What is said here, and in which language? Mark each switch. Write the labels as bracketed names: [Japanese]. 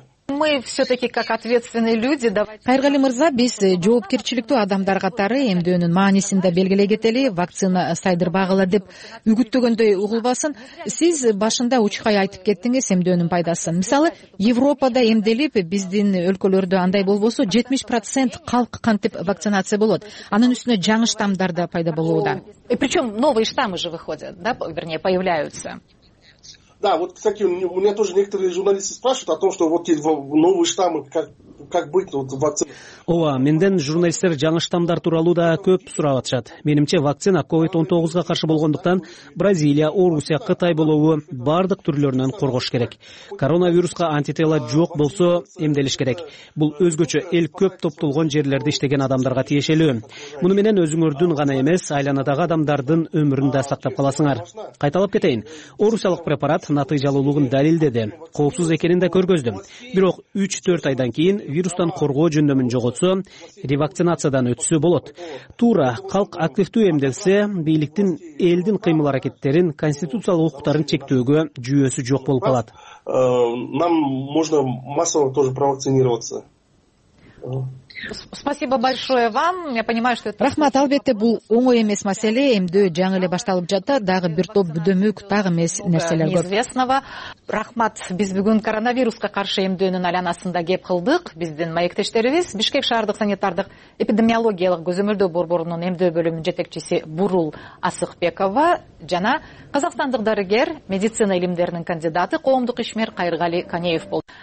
[Russian] Мы все-таки как ответственные люди. [Kyrgyz] Кайргали Мырза, биз жоопкерчиликтүү адамдар катары эмдөөнүн маанисин да белгилей кетели, вакцина сайдырбагыла деп үгүттөгөндөй угулбасын. Сиз башында учкай айтып кеттиңиз эмдөөнүн пайдасын. Мисалы, Европада эмделип, биздин өлкөлөрдө андай болбосо 70% калк кантип вакцинация болот. Анын үстүнө жаңы штамдар да пайда болууда. [Russian] И причем новые штаммы же выходят, да, вернее, появляются. Да, вот, кстати, у меня тоже некоторые журналисты спрашивают о том, что вот новые штаммы, как быть, вот, вакцина. [Kyrgyz] Ова, менден журналисттер жаңы штамдар тууралуу да көп сурап атышат. Менимче, вакцина COVID-19га каршы болгондуктан, Бразилия, Орусия, Кытай болобу бардык түрлөрүнөн коргош керек. Коронавируска антитела жок болсо, эмделиш керек. Бул өзгөчө эл көп топтолгон жерлерде иштеген адамдарга тиешелүү. Муну менен өзүңөрдүн гана эмес, айланадагы адамдардын өмүрүн да сактап каласыңар. Кайталап кетейин. Орусиялык препарат натыйжалуулугун далилдеди. Коопсуз экенин да көргөздүм. Бирок 3-4 айдан кийин вирустан коргоо жөндөмүн жоготсо, ревакцинациядан өтсө болот. Туура калк активдүү эмделсе, бийликтин элдин кыймыл аракеттерин, конституциялык укуктарын чектөөгө жүйөсү жок болуп калат. [Russian] Нам можно массово тоже провакцинироваться. Спасибо большое вам. Я понимаю, что это... [Kyrgyz] Рахмат, албетте, бул оңой эмес маселе, эмдөө жаңы эле башталып жатты, дагы бир топ бүдөмүк, дагы эмес нерселер көп. [Russian] Неизвестного. [Kyrgyz] Рахмат, биз бүгүн коронавируска каршы эмдөөнүн айланасында кеп кылдык. Биздин маектештерибиз Бишкек шаардык санитардык эпидемиологиялык көзөмөлдөө борборунун эмдөө бөлүмүнүн жетекчиси Бурул Асыкбекова жана казакстандык дарыгер, медицина илимдеринин кандидаты, коомдук ишмер Кайыргали Канеев болду.